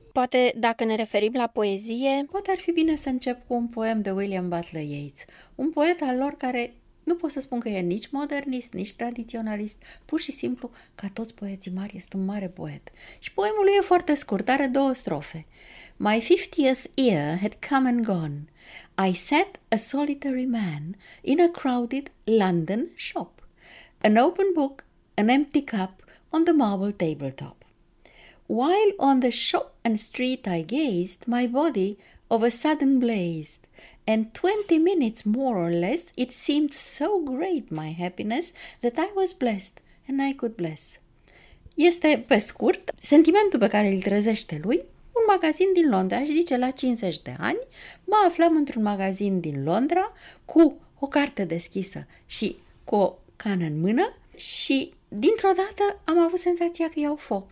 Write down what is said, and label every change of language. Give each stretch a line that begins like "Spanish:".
Romanian: Poate, dacă ne referim la poezie... Poate ar fi bine să încep cu un poem de William Butler Yeats, un poet al lor care... Nu pot să spun că e nici modernist, nici tradiționalist, pur și simplu, ca toți poeții mari, este un mare poet. Și poemul lui e foarte scurt, are două strofe.
English: My 50th year had come and gone. I sat a solitary man in a crowded London shop. An open book, an empty cup on the marble tabletop. While on the shop and street I gazed, my body of a sudden blazed. And 20 minutes more or less, it seemed so great my happiness that I was blessed and I could bless.
Romanian: Este, pe scurt, sentimentul pe care îl trezește lui, un magazin din Londra. Și zice, la 50 de ani, mă aflam într-un magazin din Londra cu o carte deschisă și cu o cană în mână și, dintr-o dată, am avut senzația că iau foc.